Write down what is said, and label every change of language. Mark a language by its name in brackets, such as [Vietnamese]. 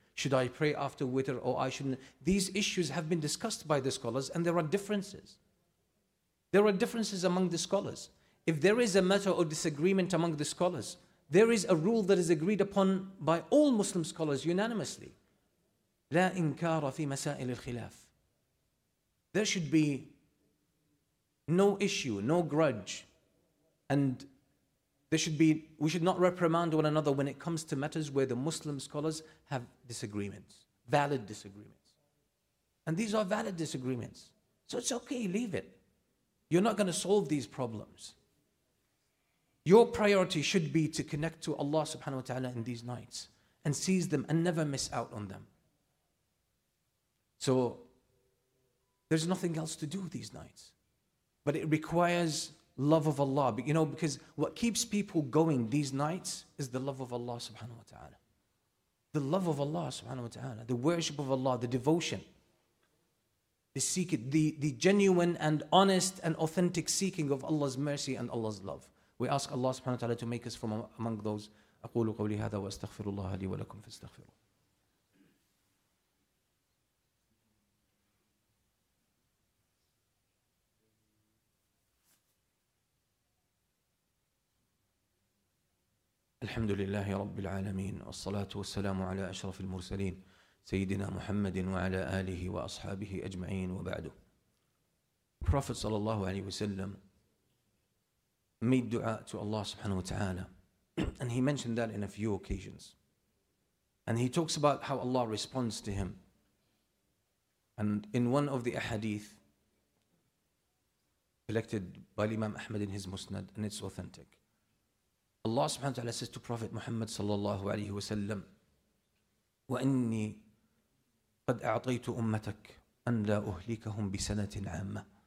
[English] Should I pray after witr or I shouldn't? These issues have been discussed by the scholars and there are differences. There are differences among the scholars. If there is a matter of disagreement among the scholars, there is a rule that is agreed upon by all Muslim scholars unanimously. [Arabic] لا إنكار في مسائل الخلاف. [English] There should be no issue, no grudge, and we should not reprimand one another when it comes to matters where the Muslim scholars have disagreements, valid disagreements. And these are valid disagreements. So it's okay, leave it. You're not going to solve these problems. Your priority should be to connect to Allah subhanahu wa ta'ala in these nights and seize them and never miss out on them. So there's nothing else to do these nights. But it requires love of Allah. But you know, because what keeps people going these nights is the love of Allah subhanahu wa ta'ala. The love of Allah subhanahu wa ta'ala. The worship of Allah. The devotion. The seeking. The genuine and honest and authentic seeking of Allah's mercy and Allah's love. We ask Allah subhanahu wa ta'ala to make us from among those. [Arabic] أقول قولي هذا وأستغفر الله لي ولكم فاستغفروا. الحمد لله رب العالمين والصلاة والسلام على أشرف المرسلين سيدنا محمد وعلى آله وأصحابه أجمعين وبعده. [English] Prophet [Arabic] صلى الله عليه وسلم [English] made dua to Allah subhanahu wa ta'ala, and he mentioned that in a few occasions. And he talks about how Allah responds to him. And in one of the ahadith collected by Imam Ahmad in his Musnad, and it's authentic, Allah subhanahu wa ta'ala says to Prophet Muhammad sallallahu alayhi wa sallam, [Arabic] وَإِنِّي قَدْ أَعْطَيْتُ أُمَّتَكَ أَنْ لَا أُهْلِكَهُمْ بِسَنَةٍ عَامَّةٍ.